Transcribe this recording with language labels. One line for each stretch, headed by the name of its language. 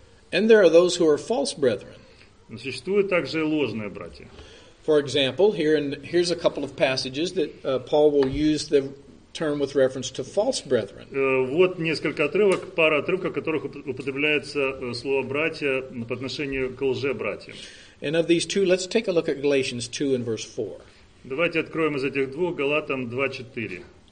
English: And there are those who are false brethren.
Russian: Существуют также и ложные братья.
English: For example, here's a couple of passages that Paul will use the term with reference to false brethren.
Russian: Вот несколько отрывок, пара отрывков, в которых употребляется слово «братья» по отношению к лже-братьям.
English: And of these two, let's take a look at Galatians 2 and verse 4.
Russian: Давайте откроем из этих двух Галатам 2:4.